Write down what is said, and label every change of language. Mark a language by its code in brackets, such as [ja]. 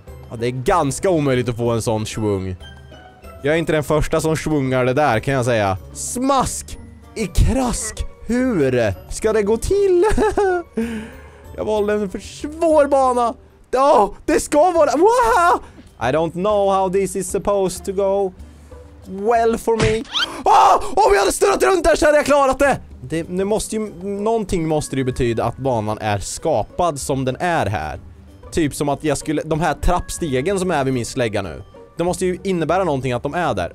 [sv] Ja, det är ganska omöjligt att få en sån svung. Jag är inte den första som svungar det där kan jag säga. Smask! I krask! Hur ska det gå till? Jag valde en för svår bana. Ja, oh, det ska vara. Wow! [en] I don't know how this is supposed to go well for me. [sv] Om jag hade stött runt där så hade jag klarat det. Det måste ju, någonting måste ju betyda att banan är skapad som den är här. Typ som att jag skulle, de här trappstegen som är vid min slägga nu. Det måste ju innebära någonting att de är där.